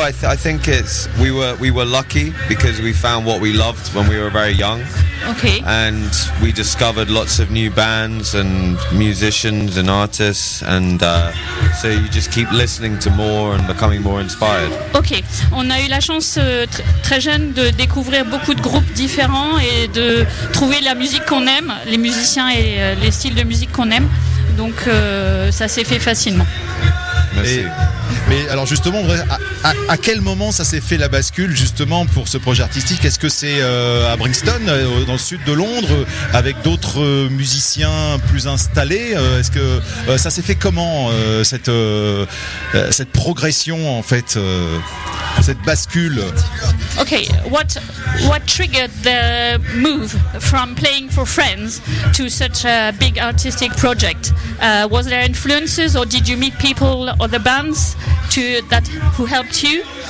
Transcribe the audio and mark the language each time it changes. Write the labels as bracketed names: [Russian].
[English] I think it's we were lucky because we found what we loved when we were very young. Okay. And we discovered lots of new bands and musicians and artists, and so you just keep listening to more and becoming more inspired. Okay. [French] On a eu la chance très jeune de découvrir beaucoup de groupes différents et de trouver la musique qu'on aime, les musiciens et les styles de musique qu'on aime. Donc ça s'est fait facilement. Merci. Mais alors justement, à quel moment ça s'est fait la bascule justement pour ce projet artistique? Est-ce que c'est à Brixton, dans le sud de Londres, avec d'autres musiciens plus installés? Est-ce que ça s'est fait comment, cette progression en fait, cette bascule? [English] Okay, what triggered the move from playing for friends to such a big artistic project? Was there influences or did you meet people or the bands who helped you?